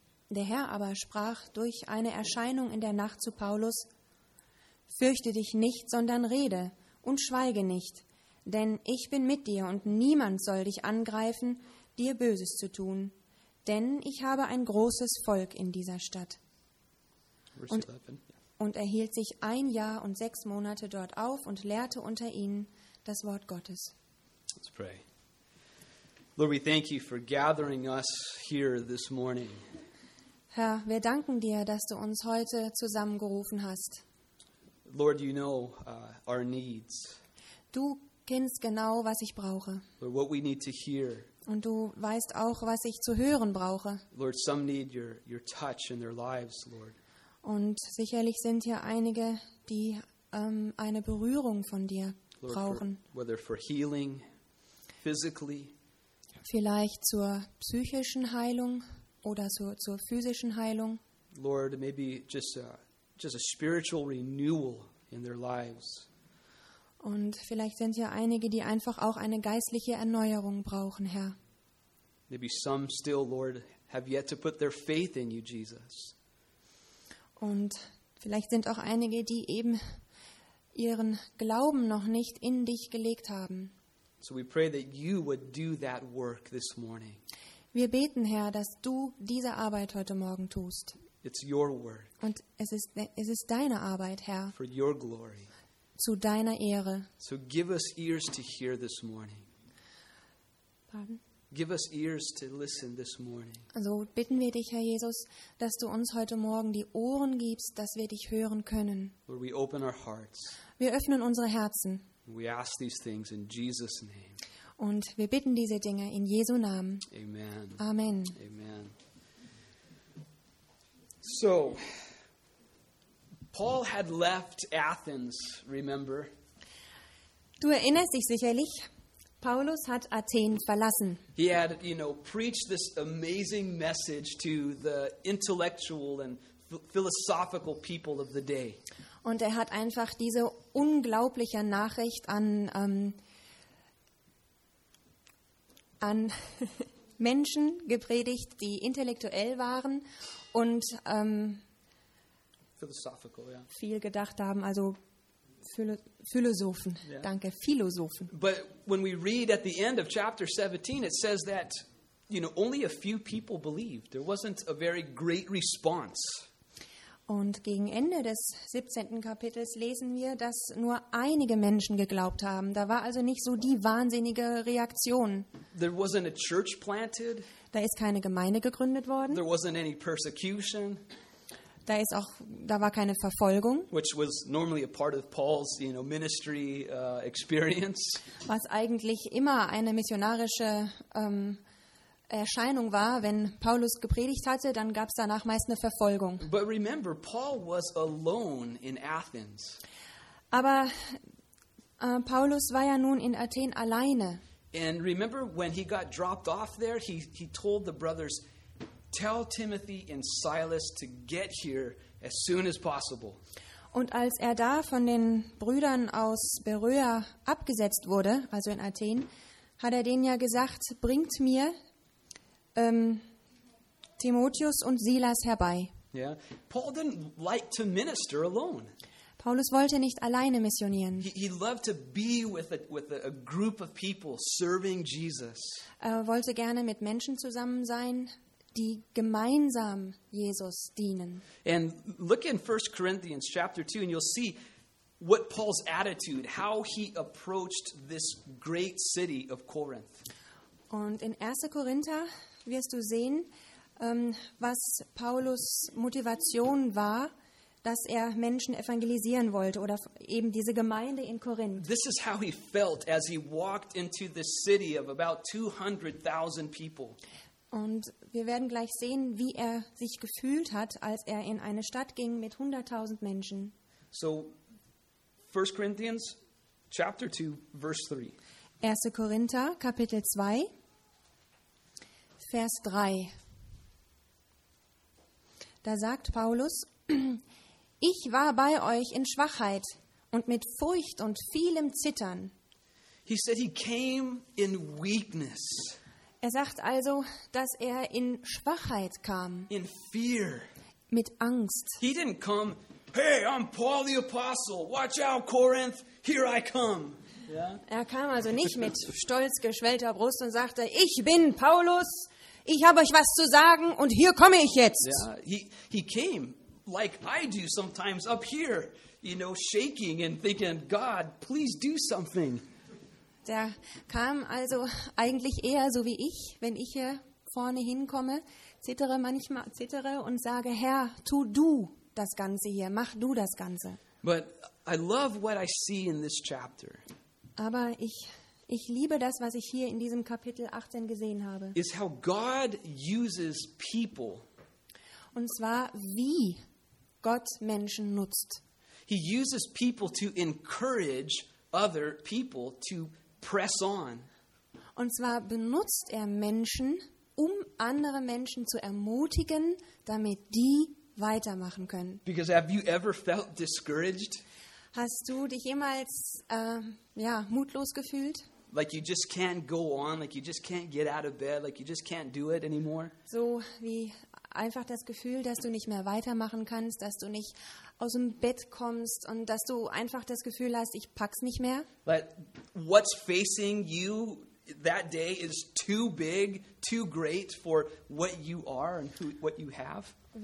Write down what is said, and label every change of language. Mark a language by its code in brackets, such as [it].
[de] Der Herr aber sprach durch eine Erscheinung in der Nacht zu Paulus: Fürchte dich nicht, sondern rede und schweige nicht, denn ich bin mit dir und niemand soll dich angreifen, dir Böses zu tun, denn ich habe ein großes Volk in dieser Stadt. Und er hielt sich 1 Jahr und 6 Monate dort auf und lehrte unter ihnen das Wort Gottes. [en] Let's pray. Lord, we thank you for gathering us here this morning. [de] Herr, wir danken dir, dass du uns heute zusammengerufen hast. [en] Lord, you know our needs. [de] Du kennst genau, was ich brauche. [en] Lord, what we need to hear. [de] Und du weißt auch, was ich zu hören brauche. [en] Lord, some need your touch in their lives, Lord. [de] Und sicherlich sind hier einige, die eine Berührung von dir brauchen. [en] Lord, whether for healing, physically. [de] Vielleicht zur psychischen Heilung oder zur physischen Heilung. [en] Lord, maybe just a spiritual renewal in their lives. [de] Und vielleicht sind hier einige, die einfach auch eine geistliche Erneuerung brauchen, Herr. [en] Maybe some still, Lord, have yet to put their faith in you, Jesus. [de] Und vielleicht sind auch einige, die eben ihren Glauben noch nicht in dich gelegt haben. [en] So we pray that you would do that work this morning. [de] Wir beten, Herr, dass du diese Arbeit heute Morgen tust. [en] It's your work. [de] Und es ist deine Arbeit, Herr. [en] For your glory. [de] Zu deiner Ehre. [en] So give us ears to hear this morning. Pardon? Give us ears to listen this morning. [de] Also bitten wir dich, Herr Jesus, dass du uns heute Morgen die Ohren gibst, dass wir dich hören können. [en] Lord, we open our hearts. [de] Wir öffnen unsere Herzen. [en] We ask these things in Jesus' name. [de] Und wir bitten diese Dinge in Jesu Namen. Amen. Amen. Amen. [en] So, Paul had left Athens, remember? [de] Du erinnerst dich sicherlich, Paulus hat Athen verlassen. [en] He had, you know, preached this amazing message to the intellectual and philosophical people of the day. [de] Und er hat einfach diese unglaubliche Nachricht an an Menschen gepredigt, die intellektuell waren und [en] philosophical, yeah. [de] Viel gedacht haben, also Philosophen. Yeah. Danke, Philosophen. [en] But when we read at the end of chapter 17, it says that you know, only a few people believed. There wasn't a very great response. [de] Und gegen Ende des 17. Kapitels lesen wir, dass nur einige Menschen geglaubt haben. Da war also nicht so die wahnsinnige Reaktion. [en] There wasn't a church planted. [de] Da ist keine Gemeinde gegründet worden. [en] There wasn't any persecution. [de] Da ist auch, da war keine Verfolgung. [en] Which was normally a part of Paul's, you know, ministry experience. [de] Was eigentlich immer eine missionarische Erscheinung war, wenn Paulus gepredigt hatte, dann gab es danach meist eine Verfolgung. [en] But remember, Paul was alone in Athens. [de] Aber Paulus war ja nun in Athen alleine. [en] And remember, when he got dropped off there, he told the brothers, tell Timothy and Silas to get here as soon as possible. [de] Und als er da von den Brüdern aus Beröa abgesetzt wurde, also in Athen, hat er denen ja gesagt, bringt mir Timotheus und Silas herbei. [en] Yeah. Paul didn't like to minister alone. [de] Paulus wollte nicht alleine missionieren. [en] He loved to be with a group of people serving Jesus. [de] Er wollte gerne mit Menschen zusammen sein, die gemeinsam Jesus dienen. [en] And look in 1 Corinthians chapter 2 and you'll see what Paul's attitude, how he approached this great city of Corinth. [de] Und in 1. Korinther wirst du sehen, was Paulus Motivation war, dass er Menschen evangelisieren wollte oder eben diese Gemeinde in Korinth. [en] This is how he felt as he walked into this city of about 200,000 people. [de] Und wir werden gleich sehen, wie er sich gefühlt hat, als er in eine Stadt ging mit 100,000 Menschen. [en] So, 1. Corinthians chapter 2, verse 3. [de] 1. Korinther, Kapitel 2. Vers 3. Da sagt Paulus, ich war bei euch in Schwachheit und mit Furcht und vielem Zittern. [en] He said he came in weakness. [de] Er sagt also, dass er in Schwachheit kam. [en] In fear. [de] Mit Angst. [en] He didn't come, hey, I'm Paul the Apostle, watch out Corinth, here I come. Yeah? [de] Er kam also nicht mit stolz geschwellter Brust und sagte, ich bin Paulus. Ich habe euch was zu sagen und hier komme ich jetzt. [en] Yeah, he came like I do sometimes up here, you know, shaking and thinking, God, please do something. [de] Der kam also eigentlich eher so wie ich, wenn ich hier vorne hinkomme, zittere manchmal und sage, Herr, tu du das Ganze hier, mach du das Ganze. [en] But I love what I see in this chapter. [de] Aber ich liebe das, was ich hier in diesem Kapitel 18 gesehen habe. [en] Is how God uses people. [de] Und zwar, wie Gott Menschen nutzt. [en] He uses people to encourage other people to press on. [de] Und zwar benutzt er Menschen, um andere Menschen zu ermutigen, damit die weitermachen können. [en] Because have you ever felt discouraged? [de] Hast du dich jemals mutlos gefühlt? [en] Like you just can't go on, like you just can't get out of bed, like you just can't do it anymore. [de] So wie einfach das Gefühl, dass du nicht mehr weitermachen kannst, dass du nicht aus dem Bett kommst und dass du einfach das Gefühl hast, ich pack's nicht mehr. [en] But what's facing you that day is too big, too great for what you are and what you have.